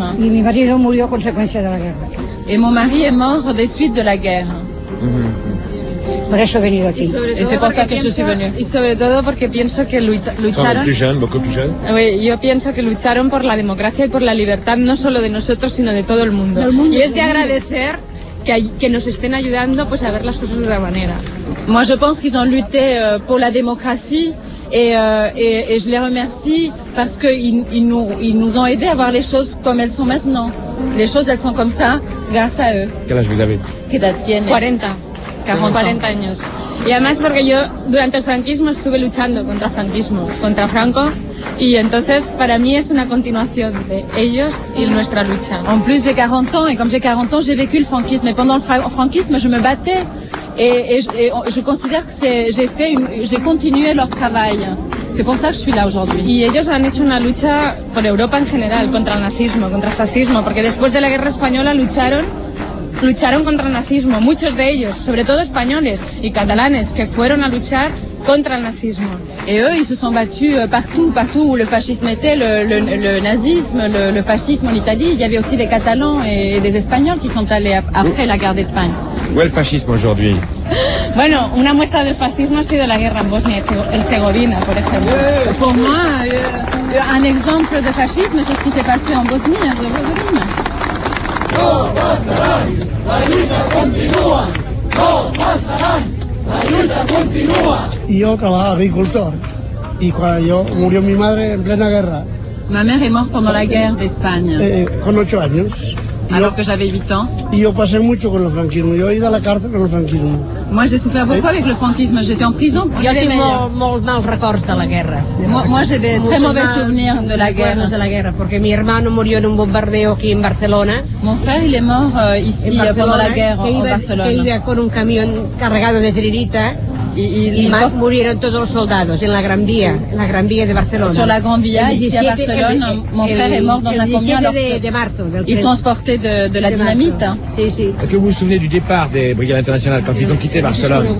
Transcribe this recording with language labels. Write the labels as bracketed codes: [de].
[es] Hein. Y mi marido murió a consecuencia de la guerra. [fr] Et mon mari est mort des suites de la guerre. [es] Por eso he venido aquí. [fr] Et c'est pour ça que je suis venue. [es] Y sobre todo porque pienso que lucharon... [fr] Plus jeune, beaucoup plus jeune. [es] Oui, yo pienso que lucharon por la democracia y por la libertad, no solo de nosotros, sino de todo el mundo. El mundo y es de agradecer que nos estén ayudando pues, a ver las cosas de otra manera. [fr] Moi, je pense qu'ils ont lutté pour la démocratie et je les remercie parce qu'ils nous ont aidés à voir les choses comme elles sont maintenant. Les choses, elles sont comme ça grâce à eux. Quel âge vous avez? Quelle date tienne? [es] 40. 40 años. Y además porque yo durante el franquismo estuve luchando contra el franquismo, contra Franco, y entonces para mí es una continuación de ellos y nuestra lucha. [fr] En plus j'ai 40 ans et comme j'ai 40 ans, j'ai vécu le franquisme et pendant le franquisme, je me battais et je considère que j'ai continué leur travail. C'est pour ça que je suis là aujourd'hui. [es] Y ellos han hecho una lucha por Europa en general contra el nazismo, contra el fascismo, porque después de la guerra española lucharon contra el nazismo, muchos de ellos, sobre todo españoles y catalanes, que fueron a luchar contra el nazismo. [fr] Et eux, ils se sont battus partout où le fascisme était, le nazisme, le fascisme en Italie. Il y avait aussi des Catalans et des Espagnols qui sont allés après la guerre d'Espagne. Où est le fascisme aujourd'hui? [es] Bueno, una muestra del fascismo ha sido la guerra en Bosnie-Herzegovina, por ejemplo. [fr] Pour moi, un exemple de fascisme, c'est ce qui s'est passé en Bosnie-Herzegovina. [es] Yo trabajaba agricultor y cuando murió mi madre en plena guerra. [fr] Ma mère est morte pendant la guerre d'Espagne. [es] Con 8 años. [fr] Alors que j'avais 8 ans. [es] Y yo pasé mucho con el franquismo. Yo he ido a la cárcel con el franquismo. [fr] Moi j'ai souffert beaucoup avec le franquisme. J'étais en prison. Il y a [ca] molt mal records de la guerra. [fr] Moi j'ai de très mauvais souvenirs de la guerre. [es] De la guerra, porque mi hermano murió en un bombardeo aquí en Barcelona. [fr] Mon frère il est mort ici pendant la guerre en Barcelona. [es] Que iba con un camión cargado de cerilita. Y más murieron todos los soldados en la Gran Vía de Barcelona. [fr] Sur la Grande Vía, ici à Barcelone, mon frère est mort dans un camion [es] de marzo. [fr] Il transportait de la dynamite. [es] Sí. [fr] Est-ce que vous vous souvenez du départ des Brigades Internationales quand ils ont quitté Barcelone?